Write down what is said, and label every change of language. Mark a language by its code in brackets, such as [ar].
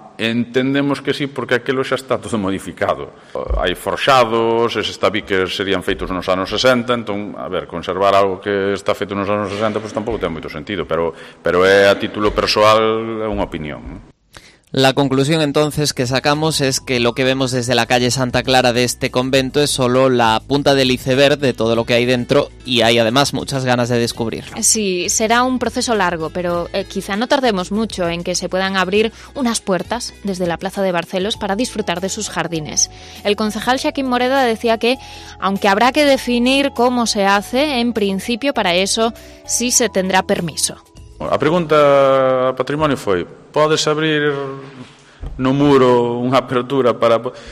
[gl] Entendemos que sí, porque aquilo xa está todo modificado. Hai forxados, eses tabiques serían feitos nos anos 60, entón, a ver, conservar algo que está feito nos anos 60, pues tampouco ten moito sentido, pero é a título persoal unha opinión. [es] La conclusión entonces que sacamos es que lo que vemos desde la calle Santa Clara de este convento es solo la punta del iceberg de todo lo que hay dentro y hay además muchas ganas de descubrirlo. Sí, será un proceso largo, pero quizá no tardemos mucho en que se puedan abrir unas puertas desde la Plaza de Barcelos para disfrutar de sus jardines. El concejal Xaquín Moreda decía que, aunque habrá que definir cómo se hace, en principio para eso sí se tendrá permiso. [gl] A pregunta a Patrimonio foi: podes abrir no muro unha apertura para...